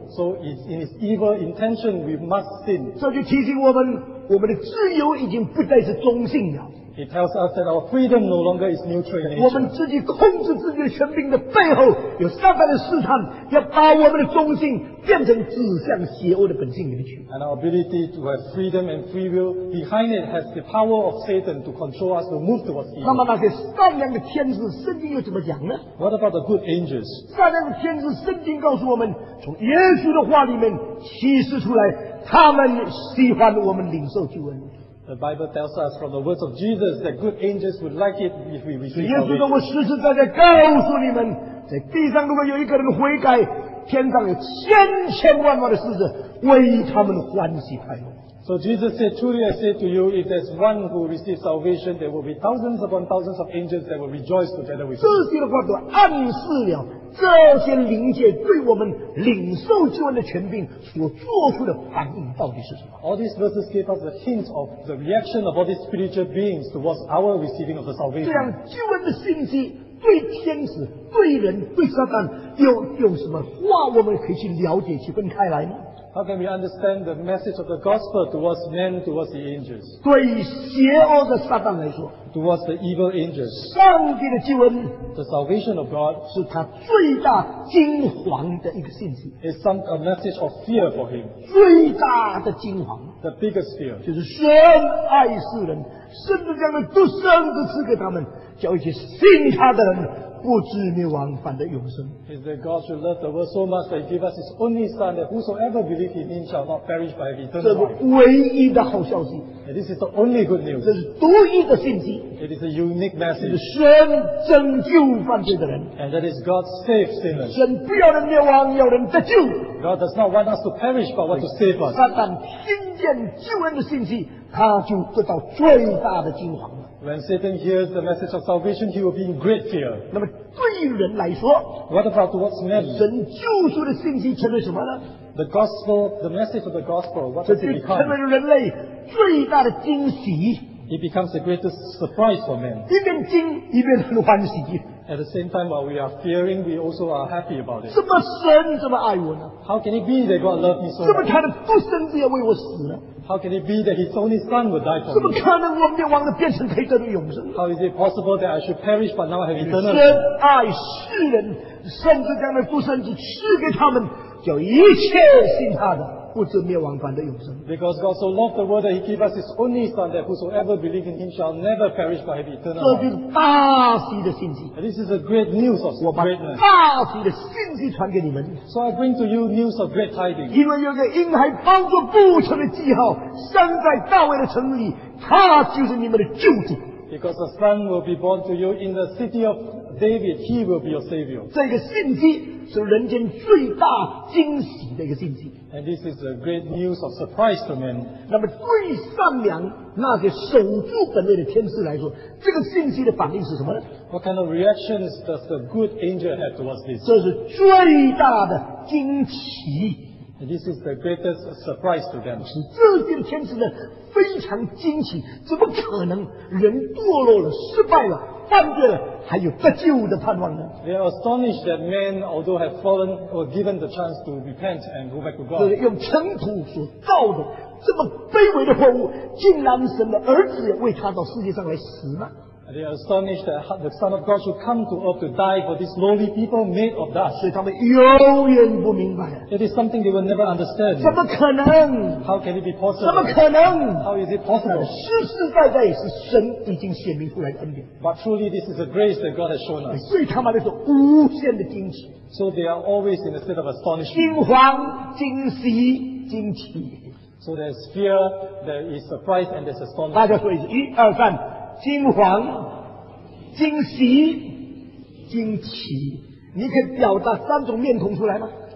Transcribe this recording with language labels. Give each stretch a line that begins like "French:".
English: So in his evil intention, we must sin.
Chinese: 这就提醒我们，我们的自由已经不再是中性了。
English: It tells us that our freedom no longer is neutral in nature.
Chinese: 我们自己控制自己的权柄的背后，有撒旦的试探，要把我们的中性变成指向邪恶的本性里面去。
English: And our ability to have freedom and free will behind it has the power of Satan to control us to move towards evil.
Chinese: 那么那些善良的天使，圣经又怎么讲呢
English: ？What about the good angels?
Chinese: 善良的天使，圣经告诉我们，从耶稣的话里面启示出来，他们喜欢我们领受救恩。
English: The Bible tells us from the words of Jesus that good angels would like it if we receive it.
Chinese: 耶稣说：“我实实在在告诉你们，在地上如果有一个人悔改，天上有千千万万的使者为他们欢喜快乐。”
English: So Jesus said, "Truly I say to you, if there's one who receives salvation, there will be thousands upon thousands of angels that will rejoice together with him."
Chinese: 这些的话都暗示了这些灵界对我们领受救恩的权柄所做出的反应到底是什么
English: ？All these verses give us a hint of the reaction of all these spiritual beings towards our receiving of the salvation.
Chinese: 这样救恩的信息对天使、对人、对撒旦，有什么话我们可以去了解、去分开来呢
English: ？How can we understand the message of the gospel towards men, towards the angels?
Chinese: 对邪恶的撒旦来说。
English: Towards the evil angels,
Chinese: 上帝的救恩
English: the salvation of God,
Chinese: 是他最大惊惶的一个信息
English: is some a message of fear for him.
Chinese: 最大的惊惶
English: the biggest fear,
Chinese: 就是神爱世人，甚至将那独生子赐给他们，叫一些信他的人不至灭亡，反得永生。
English: Is that God should love the world so much that He gave us His only Son, that whosoever believes in Him shall not perish but have eternal life.
Chinese: 这是唯一的好消息。
English: And this is the only good news.
Chinese: 这是独一的信息。
English: It is a unique message.
Chinese: 神拯救犯罪的人。
English: And that is God saves sinners.
Chinese: 神不要人灭亡，要人得救。
English: God does not want us to perish but want to save us.
Chinese: 撒旦听见救恩的信息，他就得到最大的惊惶。
English: When Satan hears the message of salvation, he will be in great fear.
Chinese: 那么对人来说
English: ，What about towards men?
Chinese: 神救赎的信息成了什么呢
English: ？The gospel, the message of the gospel, what does it become?
Chinese: 成了人类最大的惊喜。
English: It becomes the greatest surprise for men.
Chinese: 一边惊一边很欢喜。
English: At the same time, while we are fearing, we also are happy about it.
Chinese: 这么神这么爱我呢
English: ？How can it be that God loves me so much?
Chinese: 这么他的独生子也为我死呢？
English: How can it be that his only son would die for me?
Chinese: 怎么可能我灭亡了变成可以得到永生
English: ？How is it possible that I should perish but now I have eternal life?
Chinese: 神爱世人，甚至将那独生子赐给他们，叫一切信他的不至灭亡反得永生。
English: Because God so loved the world that He gave us His only Son, that whosoever believes in Him shall never perish but have eternal life.
Chinese: 这是大喜的信息。
English: This is a great news of greatness.
Chinese: 我把大喜的信息传给你们。
English: So I bring to you news of great tidings.
Chinese: 因为有个婴孩包着不朽的记号，生在大卫的城里，他就是你们的救主。
English: Because a son will be born to you in the city of David, He will be your savior.
Chinese: 这个信息是人间最大惊喜的一个信息。
English: And this is a great news of surprise to men.
Chinese: 那么最善良那些守住本位的天使来说，这个信息的反应是什么呢
English: ？What kind of reactions does the good angel have towards this?
Chinese: 这是最大的惊奇。
English: And this is the greatest surprise to them.
Chinese: 是这些天使呢非常惊奇，怎么可能人堕落了失败了犯罪了还有得救的盼望呢？
English: They are astonished that men, although have fallen, were given the chance to repent and go back to God.
Chinese: 所以用尘土所造的这么卑微的货物，竟然神的儿子也为他到世界上来死呢？
English: They are astonished that the Son of God should come to earth to die for these lowly people made of dust.
Chinese: 所以他们永远不明白。
English: It is something they will never understand.
Chinese: 怎么可能？
English: How can it be possible?
Chinese: 怎么可能？
English: How is it possible?
Chinese: 实实在在是神已经显明出来的恩典。
English: But truly, this is a grace that God has shown us.
Chinese: 对他们来说，无限的惊奇。
English: So they are always in a state of astonishment.
Chinese: 惊慌、惊喜、惊奇。
English: So there's fear, there is surprise, and there's astonishment.
Chinese: 大家说一句，一二三。惊惶、惊喜、惊奇，你可以表达三种面孔出来吗？